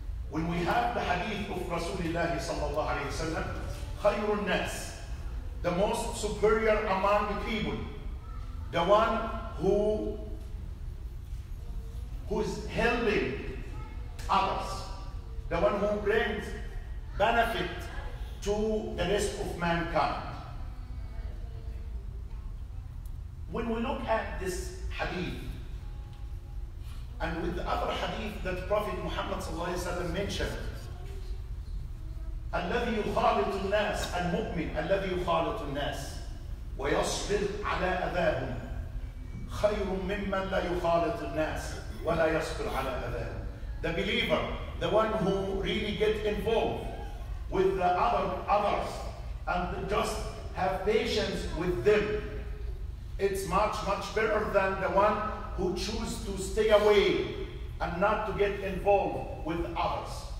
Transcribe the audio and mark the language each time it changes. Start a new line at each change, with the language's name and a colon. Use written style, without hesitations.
English: When we have the hadith of Rasulullah sallallahu alayhi wa sallam, khayrun nas, the most superior among the people, the one who's helping others, the one who brings benefit to the rest of mankind. When we look at this hadith, and with the other hadith that Prophet Muhammad sallallahu alaihi wasallam mentioned,
Arabic: الذي يخالط الناس المؤمن الذي يخالط الناس ويصبر على أذاهم خير ممن لا يخالط الناس ولا يصبر على أذاهم.
English: The believer, the one who really get involved with the others and just have patience with them, it's much, much better than the one who choose to stay away and not to get involved with others.